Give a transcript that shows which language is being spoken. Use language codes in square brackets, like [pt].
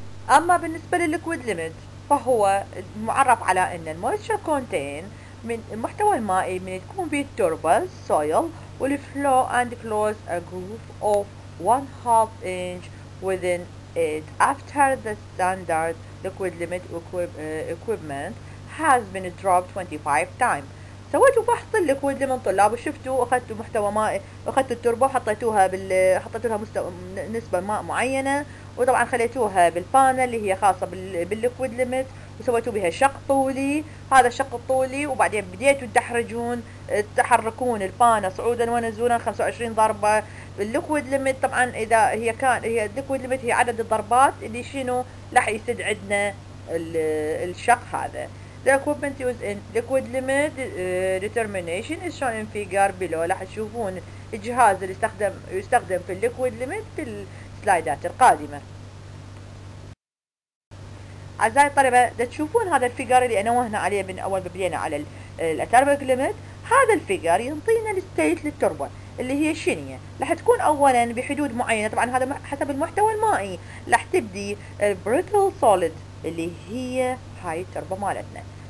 [ar] اما بالنسبة للليكويد ليميت فهو معرف على ان المويستشر كونتين من المحتوى المائي من تكون فيه التربة [en] soil will flow and close a groove of 1/2 inch within it after the standard liquid limit equipment has been dropped 25 times. [ar] سويتوا فحص الليكويد ليميت طلاب وشفتوا اخذتوا محتوى مائي اخذتوا التربة وحطيتوها حطيتوا لها مستوى نسبة ماء معينة وطبعا خليتوها بالبانل اللي هي خاصة بالليكويد ليميت وسويتوا بها شق طولي هذا الشق الطولي وبعدين بديتوا تدحرجون تحركون البانل صعودا ونزولا 25 ضربة الليكويد ليميت طبعا اذا هي كان هي الليكويد ليميت هي عدد الضربات اللي شنو راح يسد عندنا الشق هذا. [en] The equipment used in liquid limit determination is shown in figure below. [ar] راح تشوفون الجهاز اللي يستخدم في liquid limit في السلايدات القادمة. أعزائي الطلبة دا تشوفون هذا الفيجر اللي نوهنا عليه من أول ما بدينا على الأتربيك ليميت. هذا الفيجر ينطينا الستيت للتربة اللي هي شنية راح تكون أولا بحدود معينة طبعا هذا حسب المحتوى المائي راح تبدي البريتل سوليد اللي هي هاي التربة مالتنا.